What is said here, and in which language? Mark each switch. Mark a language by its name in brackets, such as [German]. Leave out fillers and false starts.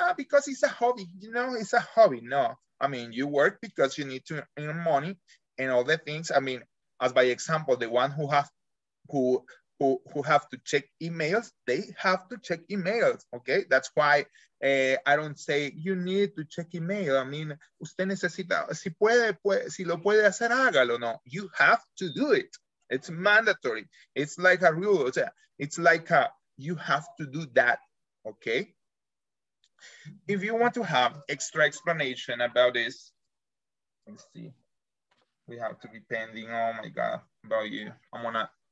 [English] Because it's a hobby, you know, it's a hobby. No, I mean, you work because you need to earn money and all the things. I mean, as by example, the one who have to check emails, they have to check emails, okay? That's why I don't say you need to check email. I mean, [Spanish] usted necesita, si lo puede hacer, hágalo, no. [English] You have to do it. It's mandatory. It's like a rule. [Spanish] O sea, [English] it's like you have to do that, okay? If you want to have extra explanation about this, let's see. We have to be pending, oh my God, about you. I'm gonna...